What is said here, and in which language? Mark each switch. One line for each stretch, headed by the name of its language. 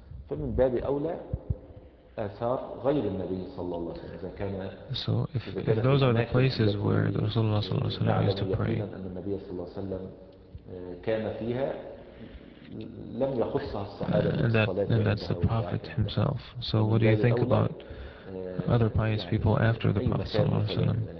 Arabic: فمن باب أولى آثار غير النبي صلى الله عليه وسلم إذا كان
English: so if those are the places where the Rasulullah صلى الله عليه وسلم used to pray
Arabic: أن النبي صلى الله عليه وسلم كان فيها لم يخصها الصحابة
English: and that's the Prophet himself so what do you think about other pious people after the Prophet صلى الله عليه وسلم